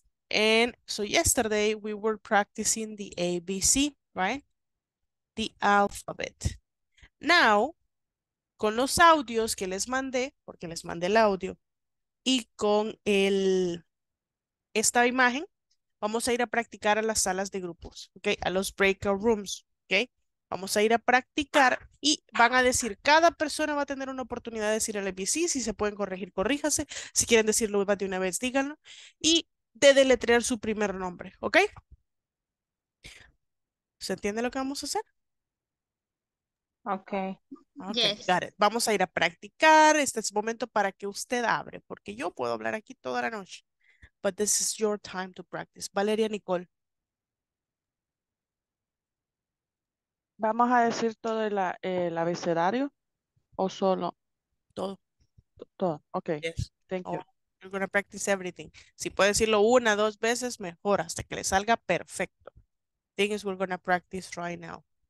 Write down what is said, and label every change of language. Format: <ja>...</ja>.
<en>And so yesterday we were practicing the ABC, right? The alphabet.</en> <es>Now, con los audios que les mandé, porque les mandé el audio, y con esta imagen, vamos a ir a practicar a las salas de grupos, okay? A los breakout rooms, okay? Vamos a ir a practicar y van a decir, cada persona va a tener una oportunidad de decir el ABC, si se pueden corregir, corríjase. Si quieren decirlo más de una vez, díganlo. Y de deletrear su primer nombre, ¿ok? ¿Se entiende lo que vamos a hacer?</es> <en>Okay. Yes. Got it. Vamos a ir a practicar.</en> <es>Este es el momento para que usted hable, porque yo puedo hablar aquí toda la noche.</es> <en>But this is your time to practice. Valeria, Nicole.</en> <es>¿Vamos a decir todo el abecedario o solo? Todo. Todo. Okay.</es> <en>Yes. Thank you. Oh, you're going to practice everything.</en> <es>Si puede decirlo una, dos veces, mejor, hasta que le salga perfecto.</es> <en>Thing is, we're going to practice right now.</en>